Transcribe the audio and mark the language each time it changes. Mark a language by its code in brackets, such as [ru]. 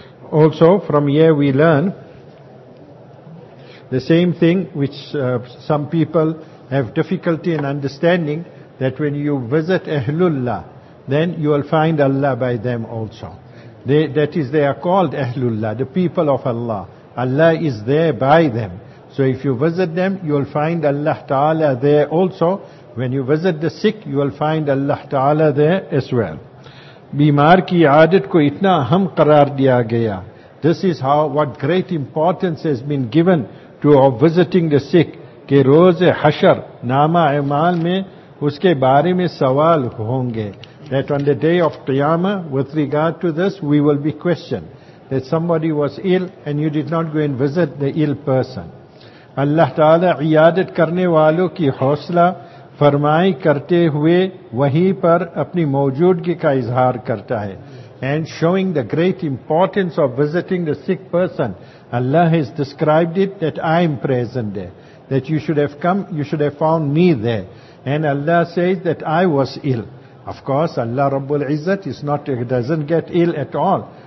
[en] Also, from here we learn the same thing which some people have difficulty in understanding, that when you visit Ahlullah, then you will find Allah by them also. They are called Ahlullah, the people of Allah. Allah is there by them. So if you visit them, you will find Allah Ta'ala there also. When you visit the sick, you will find Allah Ta'ala there as well. [ur] بیمار کی عادت کو اتنا اہم قرار دیا گیا. [en] This is how what great importance has been given to of visiting the sick, [ur] کہ روز حشر نامہ اعمال میں اس کے بارے میں سوال ہوں گے. [en] That on the day of Qiyamah, with regard to this, we will be questioned. That somebody was ill and you did not go and visit the ill person. [ur] اللہ تعالی عیادت کرنے والوں کی حوصلہ فرمائی کرتے ہوئے وہیں پر اپنی موجودگی کا اظہار کرتا ہے. [en] And showing the great importance of visiting the sick person, Allah has described it that I am present there, that you should have come, you should have found me there. And Allah says that I was ill, Of course, Allah Rabbul Izzat is not, doesn't get ill at all.